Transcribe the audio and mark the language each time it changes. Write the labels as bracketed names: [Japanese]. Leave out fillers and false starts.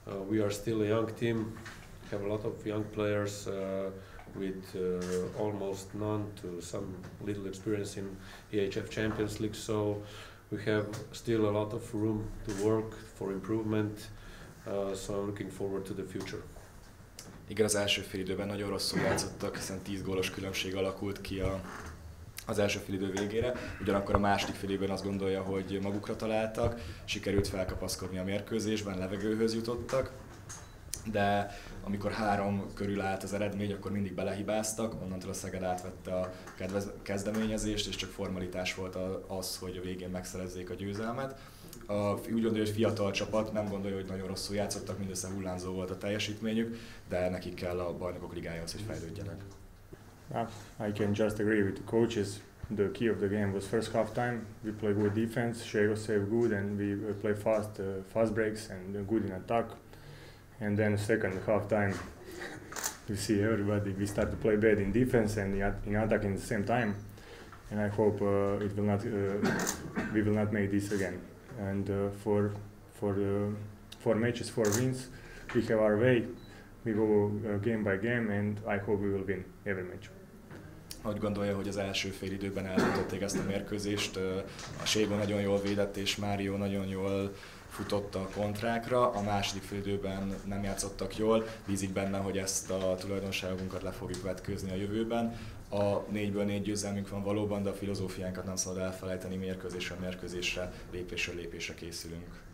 [English] We are still a young team, have a lot of young players with almost none to some little experience in EHF Champions League. So we have still a lot of room to work for improvement. So I'm looking forward to the future. [Hungarian] Igen, az első fél időben nagyon rosszul játszottak, hiszen 10 gólos különbség alakult ki az első fél idő végére. Ugyanakkor a második fél időben azt gondolja, hogy magukra találtak, sikerült felkapaszkodni a mérkőzésben, levegőhöz jutottak. De amikor 3 körül állt az eredmény, akkor mindig belehibáztak, onnantól a Szeged átvette a kezdeményezést, és csak formalitás volt az, hogy a végén megszerezzék a győzelmet. Úgy gondolja, hogy fiatal csapat, nem gondolja, hogy nagyon rosszul játszottak, mindössze hullámzó volt a teljesítményük, de nekik kell a Bajnokok Ligájához, hogy fejlődjenek. [English] I can just agree with the coaches. The key of the game was first half time. We play good defense, Shego save good, and we play fast fast breaks and good in attack. And then second half time, you see everybody, we start to play bad in defense and in attack in the same time. And I hope it will not we will not make this again. And for matches, four wins, we have our way. We go game by game, and I hope we will win every match. [Hungarian] Hogy gondolja, hogy az első fél időben elhatották ezt a mérkőzést? A Ségó nagyon jól védett, és Mário nagyon jól futott a kontrákra. A második fél időben nem játszottak jól. Bízik benne, hogy ezt a tulajdonságunkat le fogjuk vetkőzni a jövőben. A 4-ből 4 győzelmünk van valóban, de a filozófiánkat nem szabad elfelejteni, mérkőzésre, lépésről lépésre készülünk.